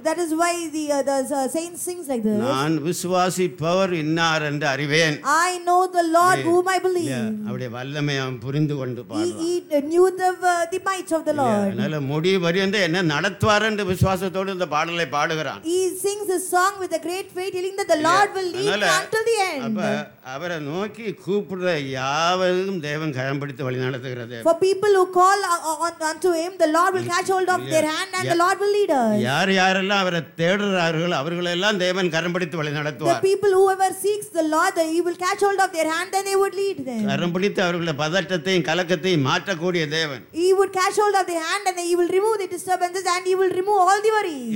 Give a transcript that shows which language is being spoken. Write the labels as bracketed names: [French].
[English] That is why the saints sing like this. [Tamil] நான் விசுவாசிப்பவர் இன்னார் என்று அறிவேன். [English] I know the Lord whom I believe. [Tamil] அவருடைய வல்லமை அவன் புரிந்து கொண்டு பாடுவான். [English] He knew the might of the Lord. [Tamil] அதனால முடிவு வரையந்து என்ன நடத்துவார் என்று விசுவாசத்தோடு இந்த பாடலை பாடுகிறான். [English] He sings a song with a great faith, telling that the Lord will lead until the end. [Tamil] அவரை நோக்கி கூப்பிடுற யாவரும் தேவன் கயம்படுத்தி வழி நடத்துகிறது. [English] For people who call unto him, the Lord will catch hold of their hand and the Lord will lead us. [Tamil] யார் யாரெல்லாம் அவரை தேடுறார்கள் அவர்களை எல்லாம் தேவன் கரம்பிடித்து வழி நடத்துவார். [English] The people whoever seeks the Lord, he will catch hold of their hand and they would lead them. [Tamil] கரம்பிடித்து அவர்களை பதட்டத்தையும் கலக்கத்தையும் மாற்றக்கூடிய தேவன். [English] He would catch hold of their hand and he will remove the disturbances and he will remove all the worries.